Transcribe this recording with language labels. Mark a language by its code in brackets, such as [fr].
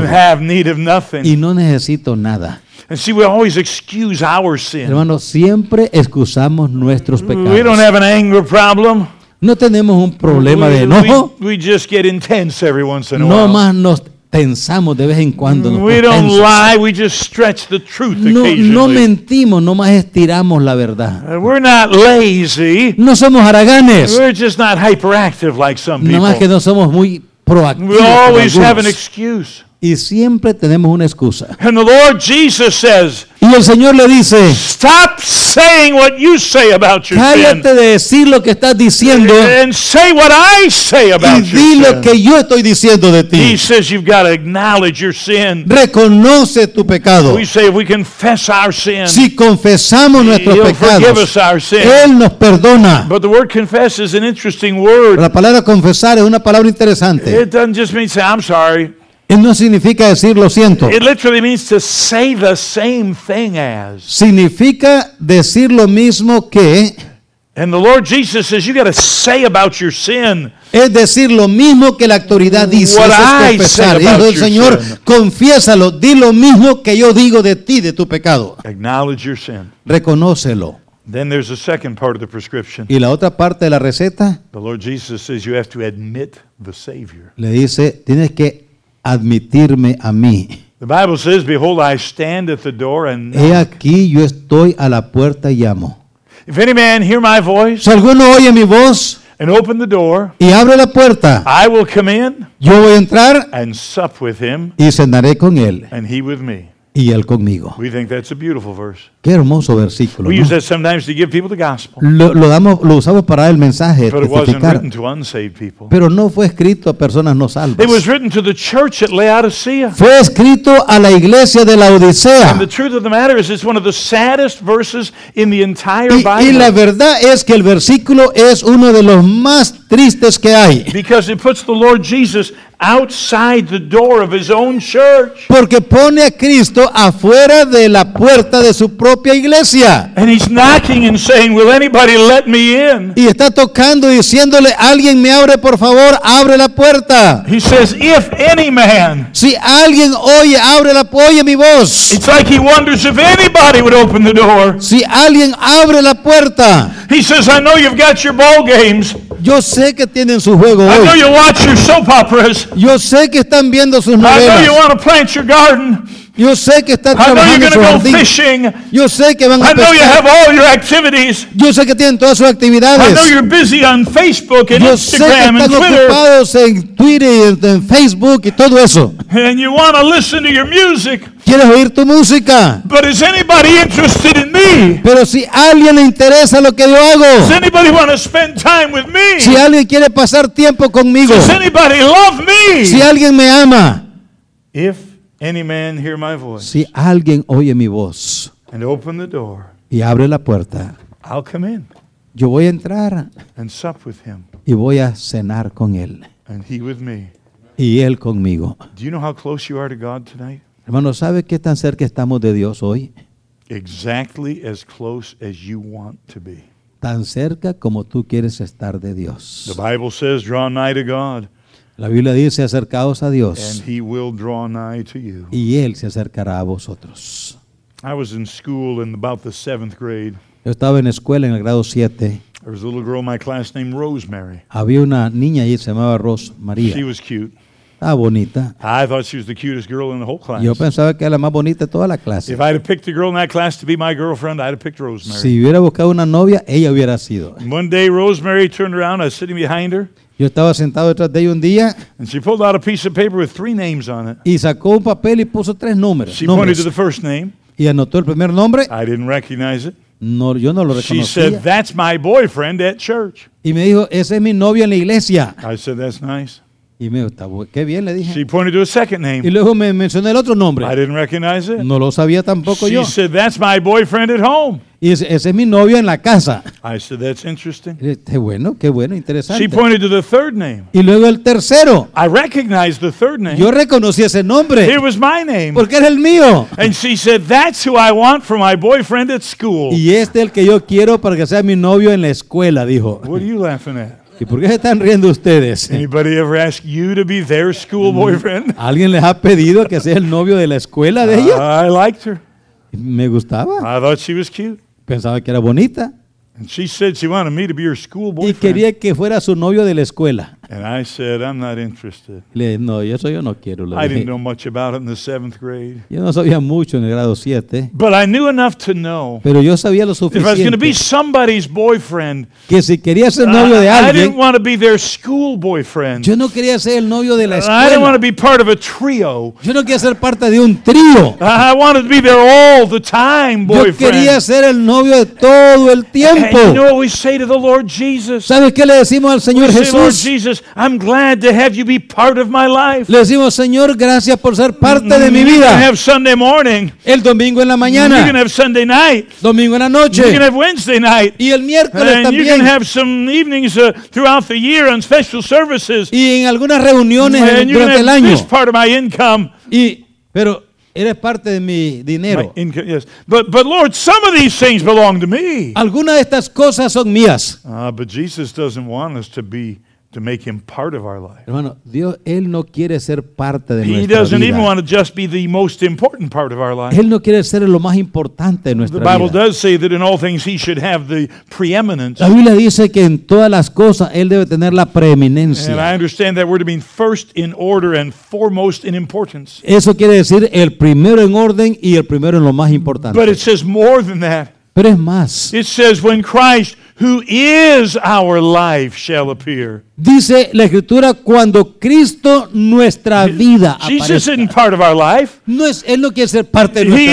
[en] And have need of nothing. [es] Y no necesito nada. [en] And see, we always excuse our sin. [es] Hermano, siempre excusamos nuestros pecados. [en] We don't have an anger problem. [es] No tenemos un problema de enojo. [en] We just get intense every once in a while. [es] No más nos tensamos de vez en cuando. [en] We don't lie, we just stretch the truth occasionally. [es] No mentimos, no más estiramos la verdad. [en] We're not lazy. [es] No somos haraganes. [en] We're just not hyperactive like some people. [es] No más que no somos muy proactivos. [en] We always have an excuse. [es] Y siempre tenemos una excusa. [en] And the Lord Jesus says, [es] y el Señor le dice, [en] stop saying what you say about your [es] cállate [en] sin. [es] Cállate de decir lo que estás diciendo. [en] And say what I say about [es] y di [en] your [es] lo [en] sin. [es] Que yo estoy diciendo de ti. [en] He says you've got to acknowledge your sin. [es] Reconoce tu pecado. [en] We say if we confess our sin, [es] si confesamos nuestros pecados, [en] he'll forgive us our sin. [es] Él nos perdona. [en] But the word confess is an interesting word. [es] La palabra confesar es una palabra interesante. [en] It doesn't just mean say, I'm sorry. [es] No significa decir lo siento. [en] It literally means to say the same thing as. [es] Significa decir lo mismo que. [en] And the Lord Jesus says you got to say about your sin. [es] Es decir lo mismo que la autoridad dice. [en] What I say about your sin. [es] Señor, confiésalo. Di lo mismo que yo digo de ti, de tu pecado. [en] Acknowledge your sin. [es] Reconócelo. [en] Then there's a second part of the prescription. [es] Y la otra parte de la receta. [en] The Lord Jesus says you have to admit the Savior. [es] Le dice, tienes que admitirme a mí. [en] The Bible says, behold, I stand at the door and knock. [es] He aquí, yo estoy a la puerta y llamo. [en] If any man hear my voice, [es] si alguno oye mi voz, [en] and open the door, [es] y abre la puerta, [en] I will come in, [es] yo voy a entrar, [en] and sup with him, [es] y cenaré con él, [en] and he with me. [es] Y él conmigo. [en] We think that's a beautiful verse. [es] Qué hermoso versículo. [en] We use that sometimes to give people the gospel. [es] Lo usamos para el mensaje. [en] But it wasn't written to unsaved people. [es] Pero no fue escrito a personas no salvas. [en] It was written to the church at Laodicea. [es] Fue escrito a la iglesia de la Odisea. [en] And the truth of the matter is, it's one of the saddest verses in the entire Bible. [es] Y la verdad es que el versículo es uno de los más tristes que hay. [en] Because it puts the Lord Jesus outside the door of his own church. [es] Porque pone a Cristo afuera de la puerta de su propia iglesia. [en] And he's knocking and saying, will anybody let me in? [es] Y está tocando y diciéndole, alguien me abre, por favor, abre la puerta. [en] He says, if any man. [es] Si alguien oye, abre la puerta, oye mi voz. [en] It's like he wonders if anybody would open the door. [es] Si alguien abre la puerta. [en] He says, I know you've got your ball games. [es] Yo sé que tienen su juego hoy. [en] I know you watch your soap operas. [es] Yo sé que están viendo sus novelas. [en] I know you want to plant your garden. [es] Yo sé que están trabajando su jardín. Yo sé que van a pescar. [en] I know you have all your activities. [es] Yo sé que tienen todas sus actividades. [en] I know you're busy on Facebook and [es] yo [en] Instagram [es] sé que están [en] and [es] ocupados [en] Twitter. [es] En Twitter y en Facebook y todo eso. [en] And you want to listen to your music. [es] ¿Quieres oír tu música? [en] But is anybody interested in me? [es] Pero si alguien le interesa lo que yo hago. [en] Does anybody want to spend time with me? [es] Si alguien quiere pasar tiempo conmigo. [en] Does anybody love me? [es] Si alguien me ama. [en] If any man hear my voice. [es] Si alguien oye mi voz. [en] And open the door. [es] Y abre la puerta. [en] I'll come in. [es] Yo voy a entrar. [en] And sup with him. [es] Y voy a cenar con él. [en] And he with me. [es] Y él conmigo. [en] Do you know how close you are to God tonight? [es] Hermano, ¿sabe qué tan cerca estamos de Dios hoy? [en] Exactly as close as you want to be. [es] Tan cerca como tú quieres estar de Dios. [en] The Bible says, draw nigh to God. [es] La Biblia dice, acercaos a Dios. [en] And he will draw nigh to you. [es] Y él se acercará a vosotros. [en] I was in school in about the seventh grade. [es] Yo estaba en escuela en el grado 7. [en] There was a little girl in my class named Rosemary. [es] Había una niña allí, se llamaba Rose María. [en] She was cute. [es] Ah, bonita. [en] I thought she was the cutest girl in the whole class. [es] Yo pensaba que era la más bonita de toda la clase. [en] If I had picked a girl in that class to be my girlfriend, I'd have picked Rosemary. [es] Si hubiera buscado una novia, ella hubiera sido. [en] One day, Rosemary turned around. I was sitting behind her. [es] Yo estaba sentado detrás de ella un día. [en] And she pulled out a piece of paper with three names on it. [es] Y sacó un papel y puso tres números. [en] She pointed to the first name. [es] Y anotó el primer nombre. [en] I didn't recognize it. [es] No, yo no lo reconocía. [en] She said, "That's my boyfriend at church." [es] Y me dijo, "Ese es mi novio en la iglesia." [en] I said, "That's nice." [es] Y me dijo, qué bien, le dije. [en] She pointed to a second name. [es] Y luego me mencionó el otro nombre. [en] I didn't recognize it. [es] No lo sabía tampoco [en] she [es] yo. [en] She said, "That's my boyfriend at home." [es] Y dice, ese es mi novio en la casa. [en] I said, "That's interesting." [es] Y dice, qué bueno, interesante. [en] She pointed to the third name. [es] Y luego el tercero. [en] I recognized the third name. [es] Yo reconocí ese nombre. [en] It was my name. [es] Porque era el mío. [en] And she said, "That's who I want for my boyfriend at school." [es] Y este es el que yo quiero para que sea mi novio en la escuela, dijo. [en] What are you laughing at? [es] ¿Y por qué se están riendo ustedes? [en] Anybody ever ask you to be their school boyfriend? [es] ¿Alguien les ha pedido que sea el novio de la escuela de ella? [en] I liked her. [es] Me gustaba. [en] I thought she was cute. [es] Pensaba que era bonita. [en] And she said she wanted me to be her school boyfriend. [es] Y quería que fuera su novio de la escuela. [en] And I said, "I'm not interested." [es] Le dije, no, eso yo no quiero. [en] I didn't know much about it in the seventh grade. [es] Yo no sabía mucho en el grado 7. [en] But I knew enough to know. [es] Pero yo sabía lo suficiente. [en] If I was going to be somebody's boyfriend. [es] Que si quería ser novio de alguien. [en] I didn't want to be their school boyfriend. [es] Yo no quería ser el novio de la escuela. [en] I didn't want to be part of a trio. [es] Yo no quería ser parte de un trío. [en] I wanted to be their all the time boyfriend. [es] Yo quería ser el novio de todo el tiempo. [en] And you know what we say to the Lord Jesus? [es] ¿Sabes qué le decimos al Señor Jesús? [en] Lord Jesus, I'm glad to have you be part of my life. [es] Le decimos, Señor, gracias por ser parte de mi vida. [en] You can have Sunday morning. [es] El domingo en la mañana. [en] You can have Sunday night. [es] Domingo en la noche. [en] You can have Wednesday night. [es] Y el miércoles también. [en] And you can have some evenings throughout the year on special services. [es] Y en algunas reuniones durante el año. [en] And you can have part of my income. [es] Y pero eres parte de mi dinero. [en] Income, yes. But Lord, some of these things belong to me. [es] Algunas de estas cosas son mías. [en] But Jesus doesn't want us to be to make him part of our life. [es] Hermano, Dios, él no quiere ser parte de [en] he [es] nuestra [en] doesn't [es] vida. [en] Even want to just be the most important part of our life. [es] Él no quiere ser lo más importante de nuestra vida. [en] The Bible [es] vida. [en] Does say that in all things he should have the preeminence. [es] La Biblia dice que en todas las cosas él debe tener la preeminencia. [en] And I understand that word to mean first in order and foremost in importance. [es] Eso quiere decir el primero en orden y el primero en lo más importante. [en] But it says more than that. [es] Pero es más. [en] It says when Christ, who is our life, shall appear. [es] Dice la escritura cuando Cristo nuestra vida aparezca. [en] Jesus isn't part of our life. [es] No es, él no quiere ser parte de nuestra